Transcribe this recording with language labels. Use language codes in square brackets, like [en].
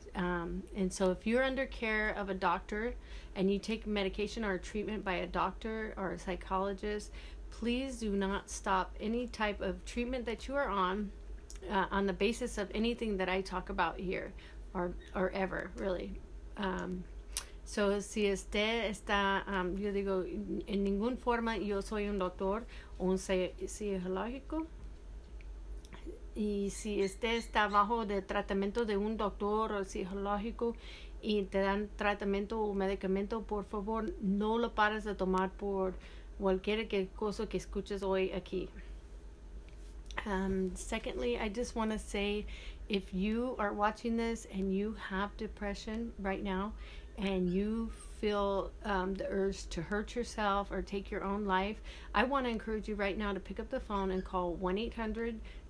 [en] And so if you're under care of a doctor and you take medication or treatment by a doctor or a psychologist, please do not stop any type of treatment that you are on the basis of anything that I talk about here or ever, really. [es] So si usted está, yo digo, en ninguna forma yo soy un doctor o un psicológico. Y si usted está bajo de tratamiento de un doctor o psicológico y te dan tratamiento o medicamento, por favor no lo pares de tomar por cualquier cosa que escuches hoy aquí. [en] Secondly, I just want to say, if you are watching this and you have depression right now and you feel the urge to hurt yourself or take your own life, I want to encourage you right now to pick up the phone and call 1-800-273-8255.